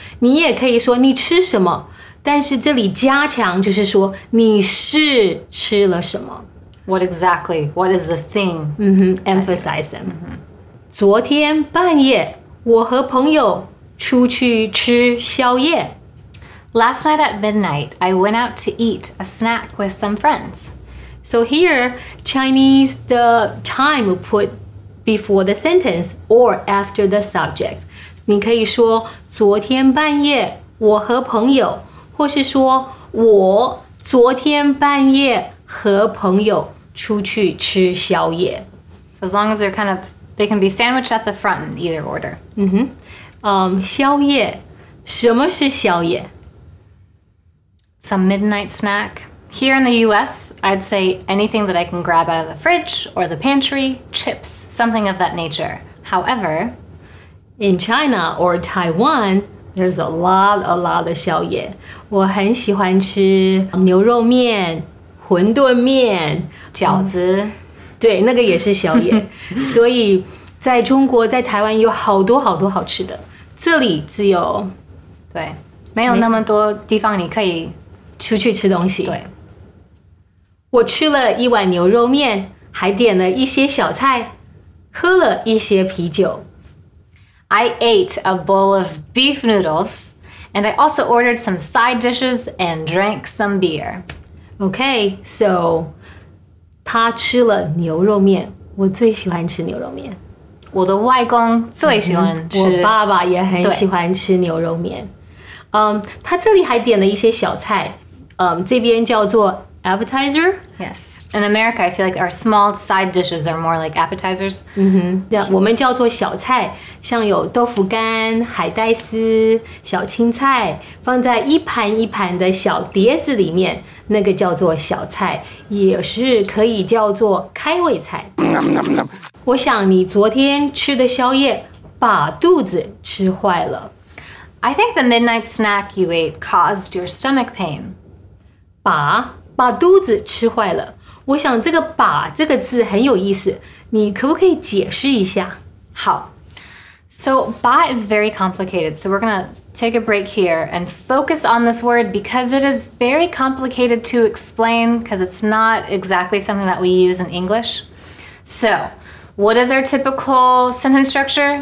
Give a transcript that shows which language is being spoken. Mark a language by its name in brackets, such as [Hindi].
[Chinese] 你也可以说你吃什么，但是这里加强就是说你是吃了什么。 [English] What exactly? What is the thing? Emphasize them. [Chinese] 昨天半夜我和朋友出去吃宵夜。 [English] Last night at midnight, I went out to eat a snack with some friends. So here, Chinese, the time we put before the sentence or after the subject. [Chinese] 你可以说昨天半夜我和朋友，或是说我昨天半夜和朋友出去吃宵夜。 [English] So as long as they're kind of... They can be sandwiched at the front in either order. [Chinese] 宵夜，什么是宵夜？ [English] Some midnight snack. Here in the US, I'd say anything that I can grab out of the fridge or the pantry, chips, something of that nature. However, in China or Taiwan, there's a lot of 宵夜。 [Chinese] 我很喜欢吃牛肉面、馄饨面、饺子。对，那个也是宵夜。所以在中国，在台湾有好多好多好吃的。这里只有对，没有那么多地方你可以出去吃东西。对，我吃了一碗牛肉面，还点了一些小菜，喝了一些啤酒。 [English] I ate a bowl of beef noodles, and I also ordered some side dishes and drank some beer. [Chinese] Okay, so 他吃了牛肉面，我最喜欢吃牛肉面。我的外公最喜欢吃，我爸爸也很喜欢吃牛肉面。他这里还点了一些小菜，这边叫做 appetizer. [English] Yes, in America, I feel like our small side dishes are more like appetizers. [Chinese] 嗯哼，对，我们叫做小菜，像有豆腐干、海带丝、小青菜，放在一盘一盘的小碟子里面，那个叫做小菜，也是可以叫做开胃菜。我想你昨天吃的宵夜把肚子吃坏了。 [English] I think the midnight snack you ate caused your stomach pain. [Chinese] 把肚子吃坏了。我想这个把这个字很有意思，你可不可以解释一下？好。 [English] So, 把 is very complicated, so we're gonna take a break here and focus on this word because it is very complicated to explain because it's not exactly something that we use in English. So,What is our typical sentence structure?